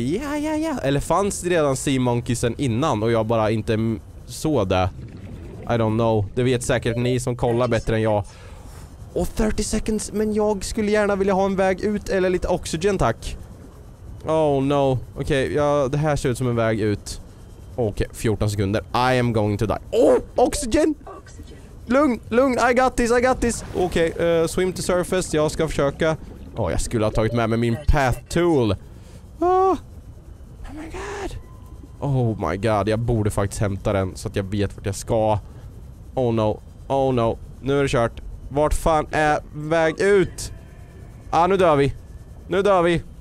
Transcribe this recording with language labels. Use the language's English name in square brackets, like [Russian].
[Swedish] Ja. Eller fanns det redan Sea Monkeys sen innan och jag bara inte... Så där. [English] I don't know. [Swedish] Det vet säkert ni som kollar bättre än jag. Och 30 seconds, men jag skulle gärna vilja ha en väg ut eller lite oxygen, tack. Oh no. Okej, okay, ja, det här ser ut som en väg ut. [English] Okej, okay, 14 sekunder. I am going to die. Oh, oxygen! [Swedish] Lugn, lugn, [English] I got this, I got this. [Swedish] Okej, okay, [English] swim to surface, [Swedish] jag ska försöka. Åh, jag skulle ha tagit med mig min path tool. [English] Oh, oh my god. Oh my god, [Swedish] jag borde faktiskt hämta den så att jag vet vart jag ska. [English] Oh no, oh no. [Swedish] Nu är det kört. Vart fan är väg ut? Ah, nu dör vi. Nu dör vi.